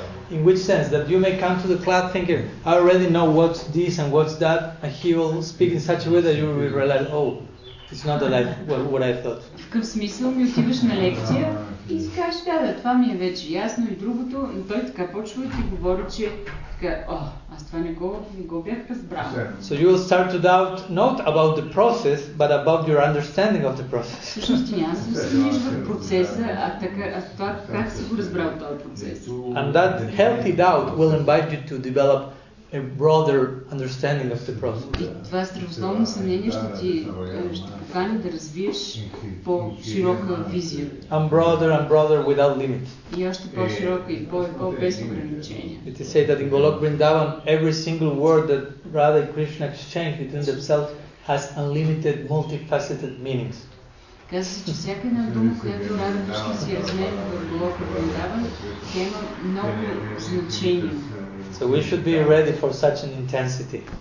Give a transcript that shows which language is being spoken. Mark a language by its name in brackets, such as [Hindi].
[English] In which sense? That you may come to the class thinking, I already know what's this and what's that, and he will speak in such a way that you will realize, oh, it's not that what I thought. [Bulgarian] В какъв смисъл ми отиваш на лекция и си кажеш, да, това ми е вече ясно и другото, но той така почва и ти говори, че така, о, аз това не го бях разбрал. [English] So you will start to doubt not about the process, but about your understanding of the process. [Bulgarian] Всъщност ти няма се съмниш в процеса, а така, а това как си го разбрал този процес? [English] And that healthy doubt will invite you to develop a broader understanding of the process. And broader without limit. It is said that in Golok Vrindavan, every single word that Radha and Krishna exchange between themselves has unlimited, multifaceted meanings. [Bulgarian] Казва се, че всяка една дума, която Радха Кришна си разменя в Голока Вриндаван, тя има много значение. [English] So we should be ready for such an intensity.